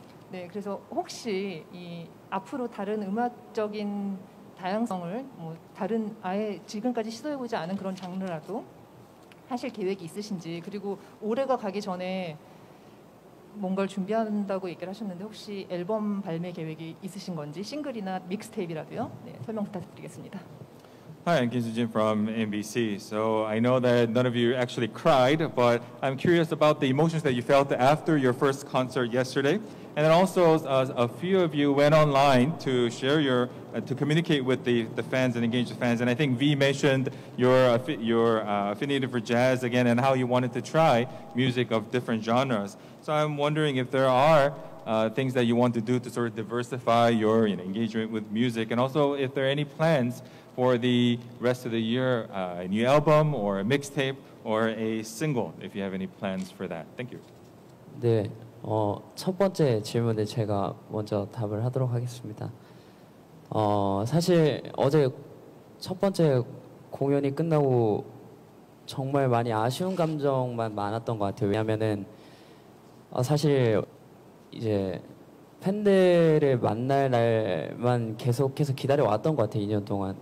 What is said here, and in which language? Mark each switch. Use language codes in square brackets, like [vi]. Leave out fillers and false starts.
[ko] 네, 그래서 혹시 이 앞으로 다른 음악적인 다양성을 뭐 다른 아예 지금까지 시도해보지 않은 그런 장르라도 하실 계획이 있으신지 그리고 올해가 가기 전에 뭔가를 준비한다고 얘기를 하셨는데 혹시 앨범 발매 계획이 있으신 건지 싱글이나 믹스테이프라도요? 네, 설명 부탁드리겠습니다. [en] Hi, I'm Kim Soo-jin from NBC. So I know that none of you actually cried, but I'm curious about the emotions that you felt after your first concert yesterday. And then also a few of you went online to share your, to communicate with the fans and engage the fans. And I think V mentioned your affinity for jazz again and how you wanted to try music of different genres. So I'm wondering if there are things that you want to do to sort of diversify your you know, engagement with music, and also if there are any plans for the rest of the year, a new album or a mixtape or a single, if you have any plans for that. Thank you. [ko] 네, 첫 번째 질문에 제가 먼저 답을 하도록 하겠습니다. 사실 어제 첫 번째 공연이 끝나고 정말 많이 아쉬운 감정만 많았던 것 같아요. 왜냐하면은 사실 이제 팬들을 만날 날만 계속해서 기다려 왔던 것 같아요. 2년 동안.